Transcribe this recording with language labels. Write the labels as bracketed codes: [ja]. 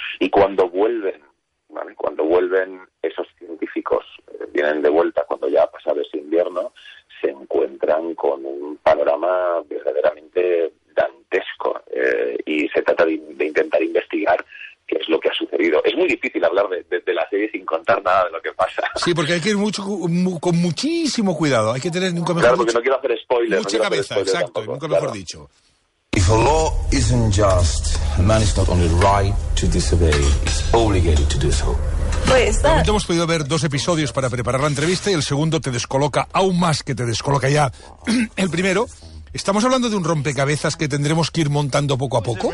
[es] Y cuando vuelven, ¿vale? Cuando vuelven esos científicos, vienen de vuelta cuando ya ha pasado ese invierno, se encuentran con un panorama verdaderamente dantesco. Y se trata de intentar investigar qué es lo que ha sucedido. Es muy difícil hablar de la serie sin contar nada de lo que pasa. Sí, porque hay que ir con muchísimo cuidado. Hay que tener nunca mejor Claro, porque no quiero hacer spoilers. Mucha cabeza, exacto. Nunca mejor dicho. [en] If a law isn't just, a man is not only right to disobey, he's obligated to do so. [es] Pues hemos podido ver 2 episodios para preparar la entrevista y el segundo te descoloca aún más que te descoloca ya el primero. ¿Estamos hablando de un rompecabezas que tendremos que ir montando poco a poco?